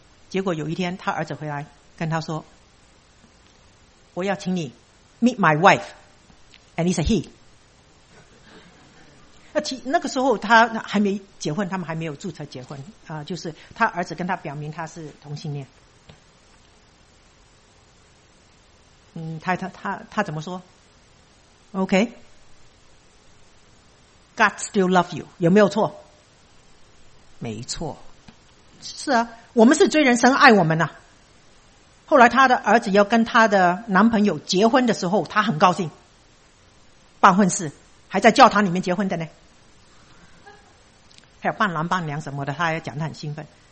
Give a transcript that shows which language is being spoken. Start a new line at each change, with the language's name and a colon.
Chinese: 结果有一天他儿子回来跟他说，我要请你
English: meet my wife and it's a he。
Chinese: 那个时候他还没结婚，他们还没有注册结婚啊，就是他儿子跟他表明他是同性恋。他怎么说 ？
English: OK, God still love you,
Chinese: 有没有错？没错，是啊，我们是罪人，神爱我们呐。后来他的儿子要跟他的男朋友结婚的时候，他很高兴，办婚事，还在教堂里面结婚的呢，还有伴郎伴娘什么的，他也讲得很兴奋。